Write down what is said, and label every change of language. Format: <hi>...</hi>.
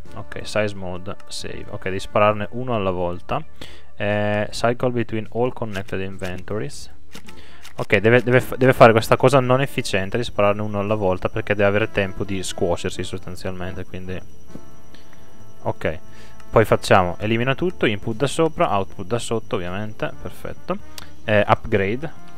<it>Ok,</it> <en>size mode, save.</en> <it>Ok, devi spararne uno alla volta.</it> <en>Cycle between all connected inventories.</en> <it>Ok, deve fare questa cosa non efficiente di spararne uno alla volta, perché deve avere tempo di scuocersi sostanzialmente, quindi... Ok. Poi facciamo, elimina tutto, input da sopra, output da sotto ovviamente, perfetto. Upgrade.</it>